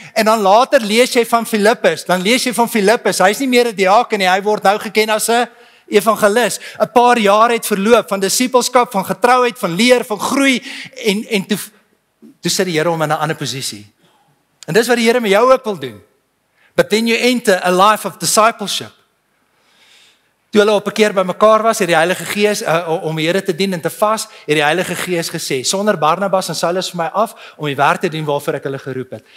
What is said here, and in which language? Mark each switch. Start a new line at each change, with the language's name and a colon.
Afrikaans: En dan later lees jy van Filippus. Dan lees jy van Filippus. Hy is nie meer 'n diaken nie. Hy word nou geken as 'n evangelis. 'n Paar jaar het verloop van disipelskap, van getrouheid, van leer, van groei. En toe sit die Here hom in 'n ander posisie. En dis wat die Here met jou ook wil doen.
English: But then you enter a life of discipleship.
Afrikaans: Toe hulle op 'n keer by mekaar was, het die Heilige Gees, om die Here te dien en te vas, het die Heilige Gees gesê, sonder Barnabas en Saulus vir my af, om die werk te doen waarvoor ek hulle geroep het.